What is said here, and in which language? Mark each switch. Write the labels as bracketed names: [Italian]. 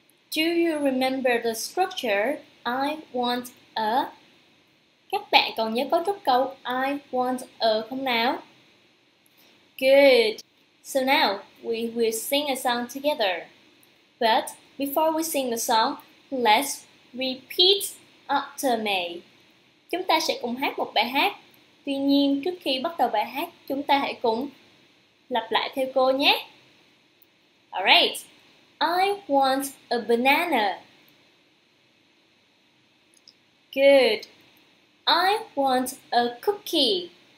[English] Do you remember the structure, I want a? [Vietnamese] Các bạn còn nhớ cấu trúc câu [English] I want a [Vietnamese] không nào? [English] Good. So now, we will sing a song together. But before we sing the song, let's repeat after me. [Vietnamese] Chúng ta sẽ cùng hát một bài hát. Tuy nhiên, trước khi bắt đầu bài hát, chúng ta hãy cùng lặp lại theo cô nhé. [English] Alright. I want a banana. Good. I want a cookie.